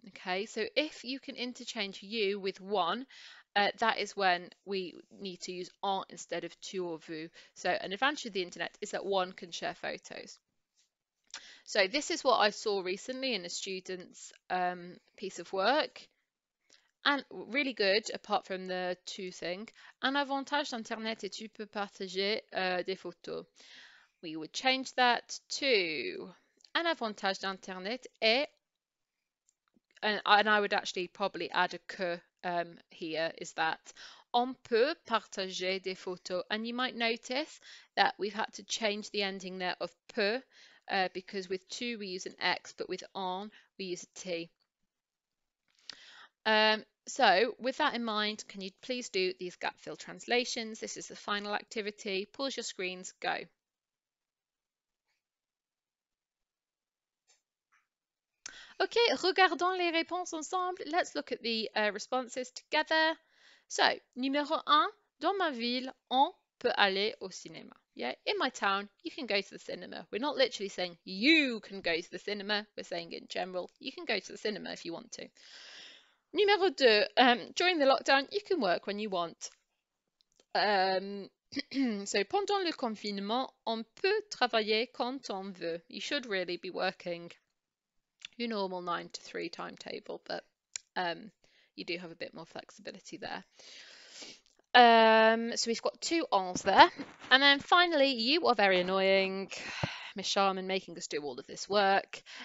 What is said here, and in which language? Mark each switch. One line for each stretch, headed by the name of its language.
English: Okay, so if you can interchange you with one, that is when we need to use en instead of tu or vous. So an advantage of the internet is that one can share photos. So this is what I saw recently in a student's piece of work. And really good, apart from the tu thing.
French: Un avantage d'internet est tu peux partager des photos.
English: We would change that to
French: un avantage d'internet est,
English: and I would actually probably add a que. Here is that
French: on peut partager des photos,
English: and you might notice that we've had to change the ending there of peut because with tu we use an X, but with on we use a T. So with that in mind, can you please do these gap fill translations? This is the final activity. Pause your screens, go.
French: OK, regardons les réponses ensemble.
English: Let's look at the responses together.
French: So, numéro 1, dans ma ville, on peut aller au cinéma.
English: Yeah, in my town, you can go to the cinema. We're not literally saying you can go to the cinema. We're saying in general, you can go to the cinema if you want to.
French: Numéro 2,
English: during the lockdown, you can work when you want.
French: So, pendant le confinement, on peut travailler quand on veut.
English: You should really be working your normal 9-to-3 timetable, but you do have a bit more flexibility there. So we've got two ons there. And then finally, you are very annoying, Miss Sharman, making us do all of this work.